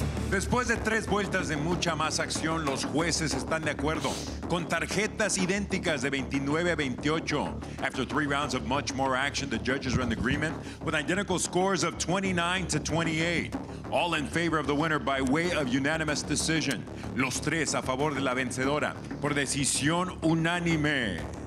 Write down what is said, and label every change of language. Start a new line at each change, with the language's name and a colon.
Spanish: Después de tres vueltas de mucha más acción, los jueces están de acuerdo con tarjetas idénticas de 29 a 28.
English: After three rounds of much more action, the judges are in agreement with identical scores of 29 to 28. All in favor of the winner by way of unanimous decision.
Spanish: Los tres a favor de la vencedora por decisión unánime.